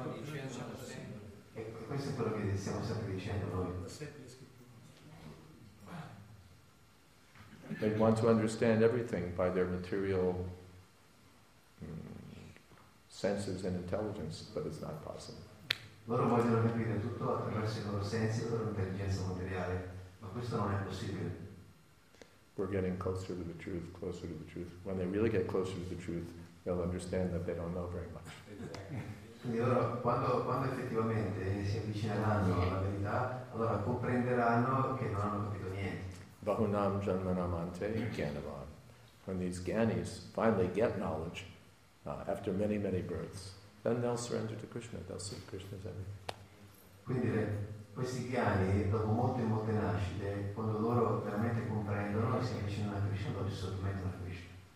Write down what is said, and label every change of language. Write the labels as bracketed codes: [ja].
[it] E questo è quello che stiamo sempre dicendo noi. [en] They want to understand everything by their material senses and intelligence, but it's not possible. [it] Loro vogliono capire tutto attraverso i loro sensi e la loro intelligenza materiale, ma questo non è possibile. [en] We're getting closer to the truth, closer to the truth. When they really get closer to the truth, they'll understand that they don't know very much. [it] Quindi loro, quando effettivamente si avvicineranno alla verità, allora comprenderanno che non hanno capito niente. [sa] Bahunam janmanamante gyanavan. [en] When these gyanis finally get knowledge after many, many births, then they'll surrender to Krishna. They'll see Krishna's everything. [it] Quindi questi gyani, dopo molte, molte nascite, quando loro veramente comprendono, si avvicinano a Krishna, loro si sottomettono a Krishna.